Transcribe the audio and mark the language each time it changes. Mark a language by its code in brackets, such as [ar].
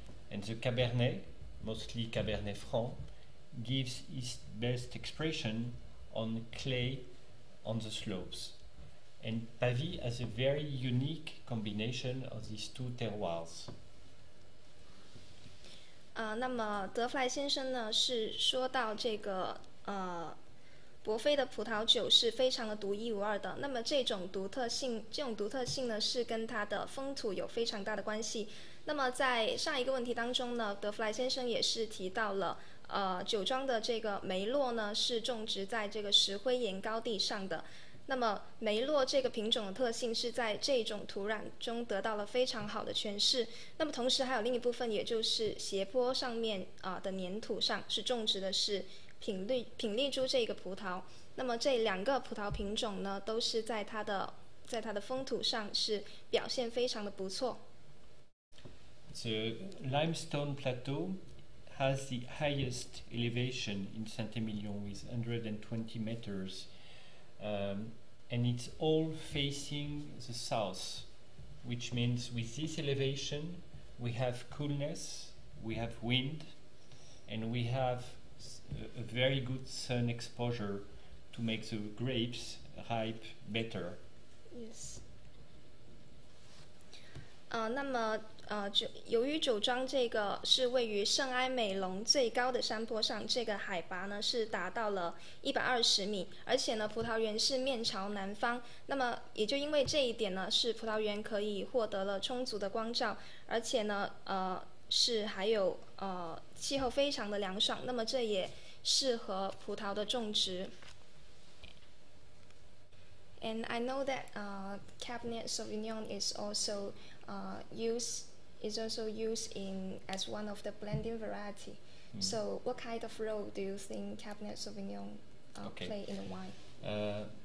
[en] And the Cabernet, mostly Cabernet Franc, gives its best expression on clay on the slopes. And Pavie has a very unique combination of these two terroirs. [zh] 那么德弗莱先生呢是说到这个伯菲的葡萄酒是非常的独一无二的。那么这种独特性呢是跟它的风土有非常大的关系。那么在上一个问题当中呢，德弗莱先生也是提到了。酒庄的这个梅洛呢是种植在这个石灰岩高地上的。那么梅洛这个品种的特性是在这种土壤中得到了非常好的诠释，那么同时还有另一部分，也就是斜坡上面的粘土上是种植的是品丽珠这个葡萄，那么这两个葡萄品种呢都是在它的风土上是表现非常的不错。 [en] The limestone plateau has the highest elevation in Saint-Emilion with 120 metersand it's all facing the south, which means with this elevation we have coolness, we have wind, and we have a very good sun exposure to make the grapes ripe better. Yes. [zh] 那么由于酒庄这个是位于圣埃美隆最高的山坡上，这个海拔呢是达到了120米，而且呢葡萄园是面朝南方，那么也就因为这一点呢是葡萄园可以获得了充足的光照，而且呢是还有气候非常的凉爽，那么这也适合葡萄的种植。 [en] And I know that Cabernet Sauvignon is also used in as one of the blending variety. So what kind of role do you think Cabernet Sauvignon play in the wine?